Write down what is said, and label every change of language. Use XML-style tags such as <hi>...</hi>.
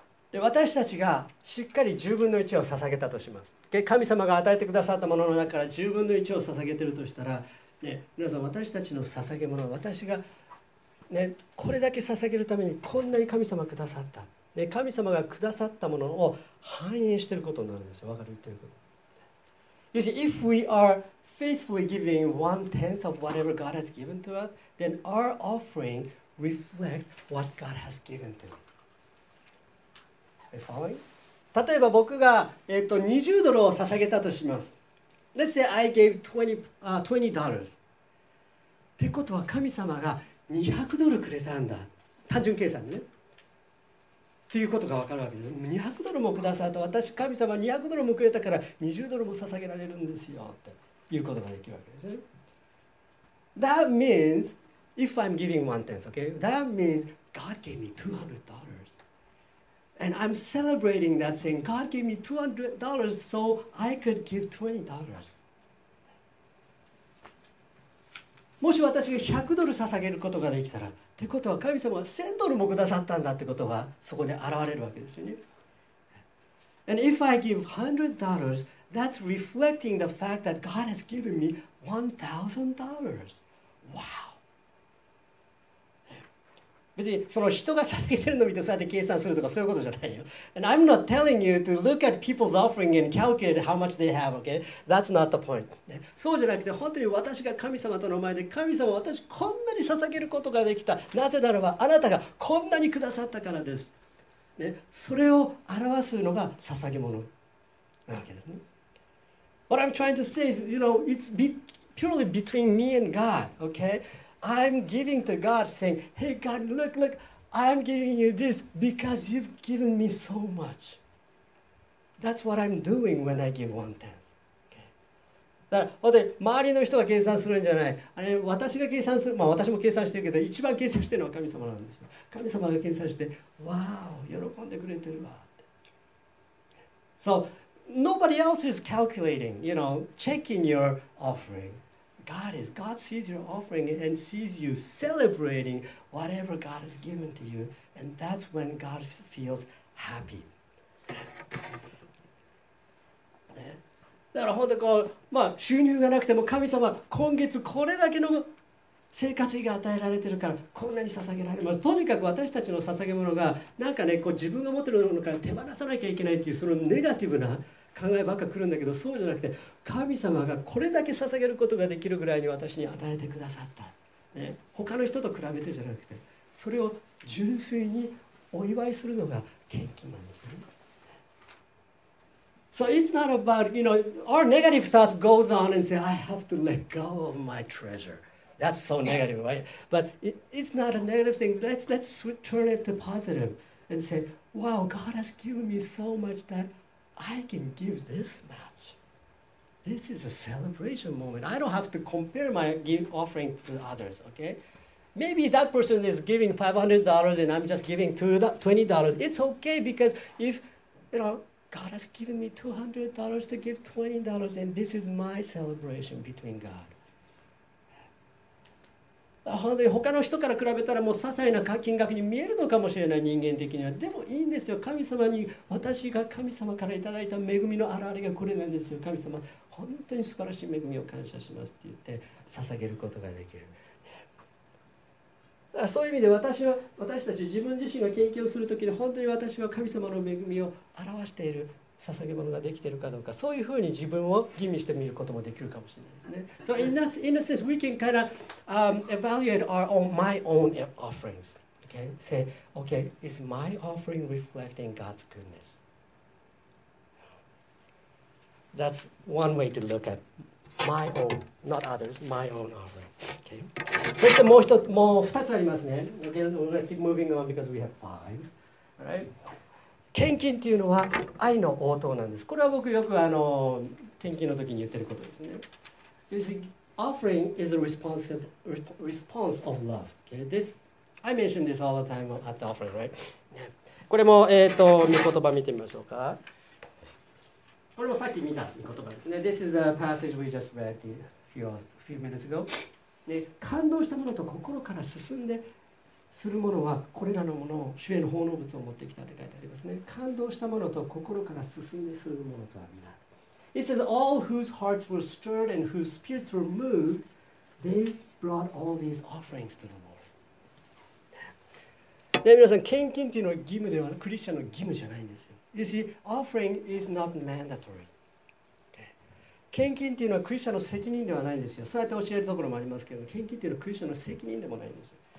<ja>で、私たちがしっかり10分の1を捧げたとします。で、神様が与えてくださったものの中から10分の1を捧げているとしたら、ね、皆さん、私たちの捧げ物、私が、ね、これだけ捧げるためにこんなに神様がくださった、ね、神様がくださったものを反映していることになるんですよ。わかる？ということ。</ja> <en>You see, if we are faithfully giving one-tenth of whatever God has given to us, then our offering reflects what God has given to us.</en> <ja>例えば僕が、20ドルを捧げたとします。</ja> <en>Let's say I gave $20.</en> <ja>ってことは神様が200ドルくれたんだ。単純計算ね。っていうことが分かるわけです。200ドルもくださった。私、神様200ドルもくれたから20ドルも捧げられるんですよ。っていうことができるわけですね。</ja> <en>That means, if I'm giving one tenth, okay? That means God gave me $200. And I'm celebrating that saying, God gave me $200 so I could give $20.</en> <ja>もし私が100ドル捧げることができたら、ってことは神様は1000ドルもくださったんだってことがそこで現れるわけですよね。</ja> <en>And if I give $100, that's reflecting the fact that God has given me $1,000. Wow.</en> <ja>別にその人が捧げてるのを見てそうやって計算するとかそういうことじゃないよ。</ja> <en>And I'm not telling you to look at people's offering and calculate how much they have, okay? That's not the point.</en> <ja>そうじゃなくて本当に私が神様との前で神様私こんなに捧げることができた。なぜならばあなたがこんなにくださったからです。ね、それを表すのが捧げ物なわけですね。</ja> <en>What I'm trying to say is, you know, it's purely between me and God, okay? I'm giving to God saying, hey God, look, look, I'm giving you this because you've given me so much. That's what I'm doing when I give one tenth. Okay.</en> <ja>だから、ほんで、周りの人が計算するんじゃない。あれ、私が計算する、まあ私も計算してるけど、一番計算してるのは神様なんですよ。神様が計算して、わー、喜んでくれてるわって。</ja> <en>So, nobody else is calculating, you know, checking your offering. God sees your offering and sees you celebrating whatever God has given to you, and that's when God feels happy.</en> <ja>だから本当にこう、まあ、収入がなくても神様、今月これだけの生活費が与えられてるから、こんなに捧げられます。とにかく私たちの捧げ物が、なんかね、こう自分が持ってるものから手放さなきゃいけないっていう、そのネガティブな考えばっか来るんだけど、そうじゃなくて神様がこれだけ捧げることができるぐらいに私に与えてくださった、ね、他の人と比べてじゃなくてそれを純粋にお祝いするのが献金なんですね。</ja> <en>So it's not about, you know, our negative thoughts goes on and say, I have to let go of my treasure. That's so negative, right? But it's not a negative thing. Let's turn it to positive and say, wow, God has given me so much thatI can give this much. This is a celebration moment. I don't have to compare my offering to others, okay? Maybe that person is giving $500 and I'm just giving $20. It's okay because if, you know, God has given me $200 to give $20 and this is my celebration between God.</en> <ja>他の人から比べたらもう些細な金額に見えるのかもしれない、人間的には。でもいいんですよ、神様に、私が神様からいただいた恵みの現れがこれなんですよ、神様本当に素晴らしい恵みを感謝しますって言って捧げることができる。だからそういう意味で私は、私たち自分自身が献金をするときに本当に私は神様の恵みを表している捧げ物ができているかどうか、そういうふうに自分を吟味してみることもできるかもしれないですね。</ja> <en>So in a sense, we can kind of evaluate my own offerings. Okay, say, okay, is my offering reflecting God's goodness? That's one way to look at my own, not others, my own offering. Okay.</en> <ja>そしてもう一つ、もう二つありますね。</ja> <en>Okay, let's keep moving on because we have five. All right.</en> <ja>献金というのは愛の応答なんです。これは僕よく献金の時に言ってることですね。</ja> <en>You see, offering is a response of love. Okay, this, I mention this all the time at the offering, right?</en> <ja>これも見言葉見てみましょうか。これもさっき見た見言葉ですね。</ja> <en>This is the passage we just read a few minutes ago、ね。</en> <ja>感動したものと心から進んでするものはこれらのものを主への奉納物を持ってきたって書いてありますね。感動したものと心から進んでするものとは皆。</ja> <en>It says all whose hearts were stirred and whose spirits were moved, they brought all these offerings to the Lord.</en> <ja>で皆さん献金というのは義務ではクリスチャンの義務じゃないんですよ。</ja> <en>You see, offering is not mandatory.、Okay.</en> <ja>献金というのはクリスチャンの責任ではないんですよ。そうやって教えるところもありますけど、献金というのはクリスチャンの責任でもないんですよ。</ja>